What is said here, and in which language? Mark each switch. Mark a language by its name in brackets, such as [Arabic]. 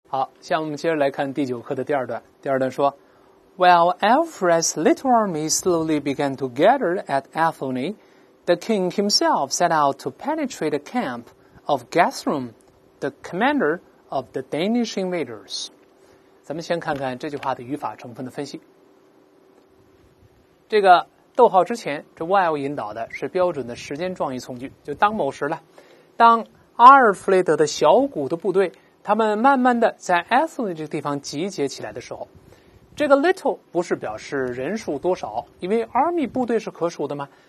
[Chinese] 好，下面我们接着来看第九课的第二段。第二段说 [English] ，While Alfred's little army slowly began to gather at Athelney, the king himself set out to penetrate the camp of Guthrum, the commander of the Danish invaders. [Chinese] 咱们先看看这句话的语法成分的分析。这个逗号之前，这 while 引导的是标准的时间状语从句，就当某时了。当阿尔弗雷德的小股的部队，他们慢慢的在 Athelney 这个地方集结起来的时候，这个 little 不是表示人数多少，因为 army 部队是可数的嘛。